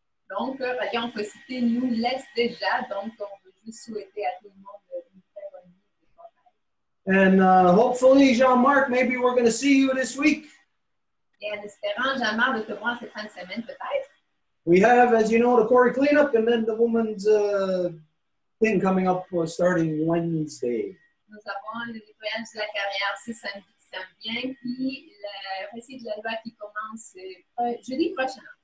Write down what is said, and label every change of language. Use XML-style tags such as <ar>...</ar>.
<fr>Donc, Radio facility nous laisse déjà, donc on veut juste souhaiter à tout le monde une très bonne nuit et bonne rêve.</fr> <en>And hopefully, Jean-Marc, maybe we're gonna see you this week.</en> <fr>Et en espérant, Jean-Marc, de te voir cette fin de semaine, peut-être.</fr> <en>We have, as you know, the quarry cleanup and then the woman's thing coming up starting Wednesday.</en> <fr>Nous avons le nettoyage de la carrière ce samedi s'en vient, puis le récit de la loi qui commence jeudi prochain.</fr>